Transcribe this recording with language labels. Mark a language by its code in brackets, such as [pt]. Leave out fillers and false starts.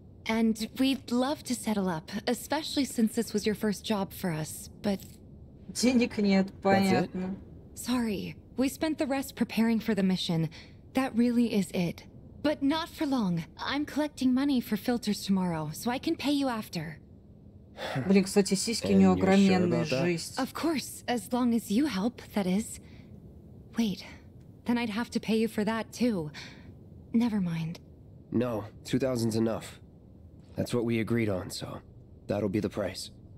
[en] And we'd love to settle up, especially since this was your first job for us, but... [ru] Денег нет, понятно. [en] That's it? Sorry. We spent the rest preparing for the mission. That really is it. But not for long. I'm collecting money for filters tomorrow, so I can pay you after. [ru] Блин, кстати, сиськи у неё огроменные, жесть. [en] Of course, as long as you help, that is. Wait, then I'd have to pay you for that too. Never mind. No, 2,000's enough. That's what we agreed on, so that'll be the price.